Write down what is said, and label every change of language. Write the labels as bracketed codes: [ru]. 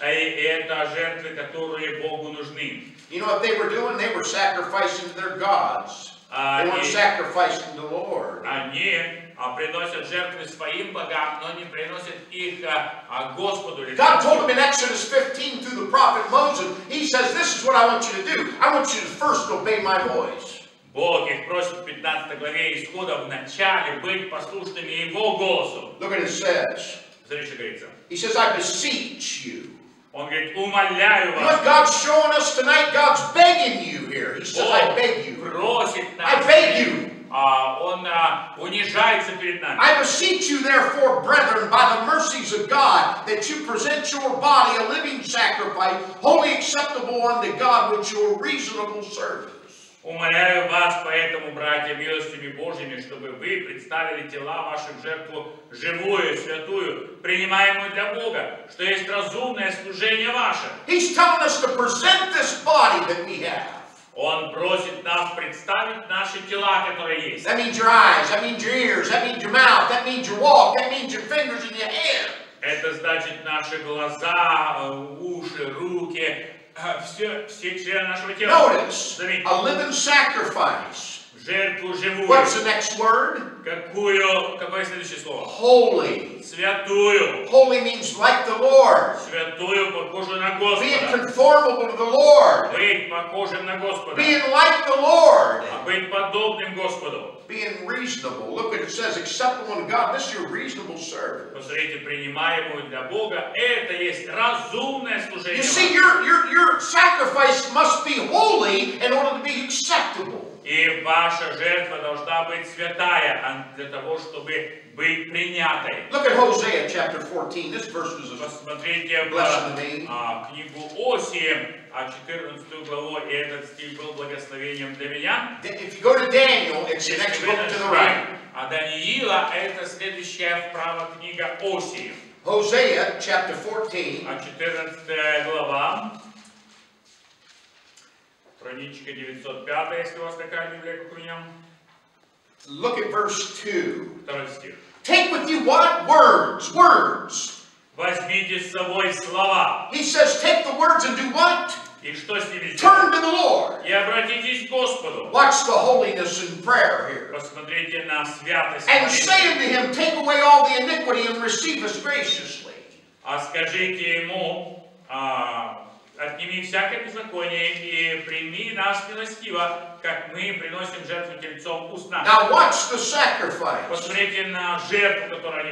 [ru] И это жертвы, которые Богу нужны. [en] You know what they were doing? They were sacrificing their gods. They weren't sacrificing the Lord. [ru] Они приносят жертвы своим богам, но не приносят их Господу. [en] God told them in Exodus 15 through the prophet Moses. He says, "This is what I want you to do. I want you to first obey my voice." [ru] Бог их просит в 15 главе Исхода в начале быть послушными Его голосу. [en] Look at what it says. [ru] Смотри, что говорится. [en] He says, "I beseech you." [ru] Он говорит, умоляю вас. [en] You know, God's showing us tonight, God's begging you here. He says, I beg you. [ru] Просит нас. [en] I beg you. [ru] Он унижается перед нами. [en] I beseech you, therefore, brethren, by the mercies of God, that you present your body a living sacrifice, wholly acceptable unto God, which your reasonable service. [ru] Умоляю вас, поэтому, братья, милостями Божьими, чтобы вы представили тела вашим жертву живую, святую, принимаемую для Бога, что есть разумное служение ваше. [en] He's telling us to present this body that we have. [ru] Он просит нас представить наши тела, которые есть. [en] That means your eyes, that means your ears, that means your mouth, that means your walk, that means your fingers and your hands. [ru] Это значит наши глаза, уши, руки, все члены нашего тела. [en] Notice, a living sacrifice. What's the next word? [ru] Какое следующее слово? [en] Holy. [ru] Святую. [en] Holy means like the Lord. [ru] Святую, похожую на Господа. [en] Being conformable to the Lord. [ru] Быть похожим на Господа. [en] Being like the Lord. [ru] Быть подобным Господу. [en] Being reasonable. Look what it says, acceptable unto God. This is your reasonable service. [ru] Посмотрите, принимаемую для Бога. Это есть разумное служение. [en] You see, your sacrifice must be holy in order to be acceptable. [ru] И ваша жертва должна быть святая для того, чтобы быть принятой. [en] Look at Hosea chapter 14. This verse was a [ru] посмотрите [en] blessing to me. [ru] Книгу Осии, 14 главу, и этот стих был благословением для меня. [en] If you go to Daniel, it's the next book to the right. [ru] А Даниила это следующая вправо книга Осии. [en] Hosea chapter 14. [ru] 14 глава. Хроничка 905, если у вас такая Библия, как у меня. [en] Look at verse 2. [ru] Второй стих. [en] Take with you what? Words. Words. [ru] Возьмите с собой слова. [en] He says, take the words and do what? [ru] И что с ними сделать? [en] Turn to the Lord. [ru] И обратитесь к Господу. [en] Watch the holiness in prayer here. [ru] Посмотрите на святость. [en] And say unto him, take away all the iniquity and receive us graciously. [ru] А скажите ему, отними всякое беззаконие и прими нас милостиво, как мы приносим жертву тельцом уст наших. [en] Now watch the sacrifice. [ru] Посмотрите на жертву, которую они